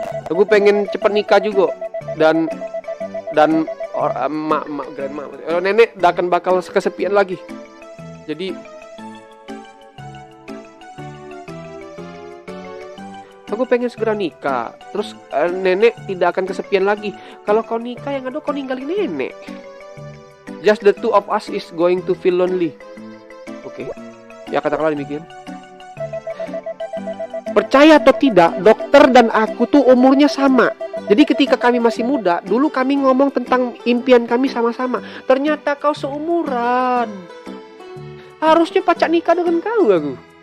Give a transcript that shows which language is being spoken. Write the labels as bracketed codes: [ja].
[id] Aku pengen cepat nikah juga dan grandma, nenek enggak akan bakal kesepian lagi. Jadi aku pengen segera nikah. Terus nenek tidak akan kesepian lagi. Kalau kau nikah, yang ada kau ninggalin nenek. [en] Just the two of us is going to feel lonely. [id] Oke. Ya katakanlah demikian. Percaya atau tidak, dokter dan aku tuh umurnya sama. Jadi ketika kami masih muda, dulu kami ngomong tentang impian kami sama-sama. Ternyata kau seumuran. Harusnya pacak nikah dengan kau aku.